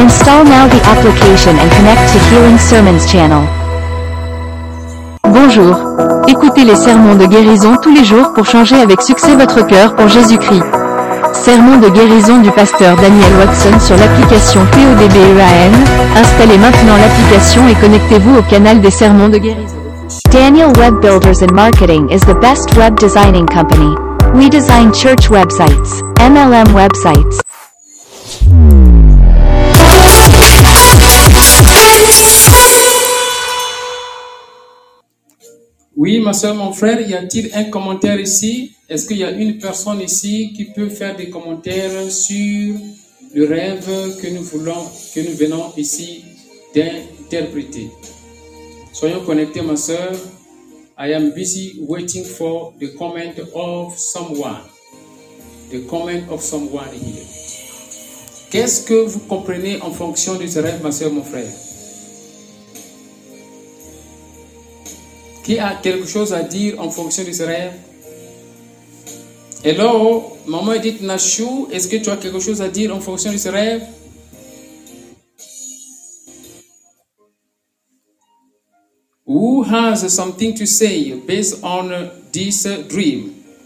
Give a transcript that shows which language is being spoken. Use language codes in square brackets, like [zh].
[en] Install now the application and connect to Healing Sermons channel. [fr] Bonjour. Écoutez les sermons de guérison tous les jours pour changer avec succès votre cœur pour Jésus-Christ. Sermon de guérison du pasteur Daniel Waxon sur l'application PODBEAN. Installez maintenant l'application et connectez-vous au canal des sermons de guérison. [en] Daniel Web Builders and Marketing is the best web designing company. We design church websites, MLM websites. [fr] Oui, ma soeur, mon frère, y a-t-il un commentaire ici? Est-ce qu'il y a une personne ici qui peut faire des commentaires sur le rêve que nous venons ici d'interpréter? Soyons connectés, ma soeur. [en] I am busy waiting for the comment of someone. The comment of someone here. [fr] Qu'est-ce que vous comprenez en fonction de ce rêve, ma soeur, mon frère? Qui a quelque chose à dire en fonction de ce rêve? Hello, maman Edith Nashu, est-ce que tu as quelque chose à dire en fonction de ce rêve? [en] Who has something to say based on this dream?